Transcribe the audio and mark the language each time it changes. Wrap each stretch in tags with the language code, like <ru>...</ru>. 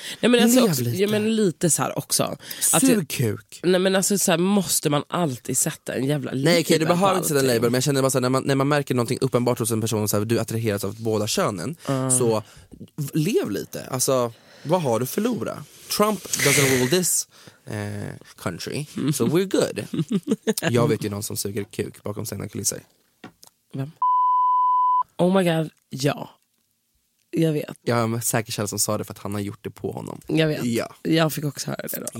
<sv>Nej, men alltså, lev lite. Ja, men lite så här också. Sugkuk. Nej, men alltså så här, måste man alltid sätta en jävla</sv> <en>label.</en> <sv>Nej, okej, okay, du behöver inte sätta en label, men jag känner bara så här, när man märker någonting uppenbart hos en person så här, du attraheras av båda könen, så lev lite. Alltså vad har du förlorat?</sv> <en>Trump doesn't rule this country, so we're good.</en> <sv>Jag vet ju någon som suger kuk bakom sina kulisser. Vem?</sv> <en>Oh my god,</en> <sv>ja. Jag vet. Jag är säker källa som sa det för att han har gjort det på honom. Jag vet. Ja. Jag fick också höra det då.</sv>